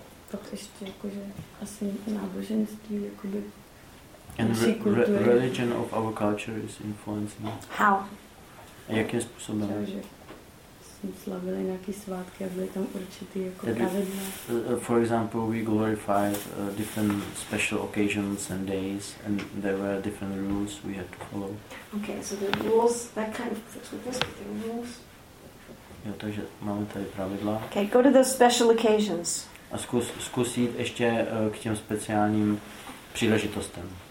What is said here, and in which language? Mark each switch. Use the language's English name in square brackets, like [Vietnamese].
[Czech] Pak ještě jakože asi náboženství jakoby. [English] And religion of our culture is influencing. How? [Czech] Jakým způsobem? Takže slavili nějaký svátky a byly tam určitý jako pravidla. [English] For example, we glorified different special occasions and days, and there were different rules we had to follow. Okay, so the rules, that kind of fits with this, but the rules. [Czech] Jo, takže máme tady pravidla. [English] Okay, go to those special occasions. [Czech] A zkusit ještě k těm speciálním příležitostem.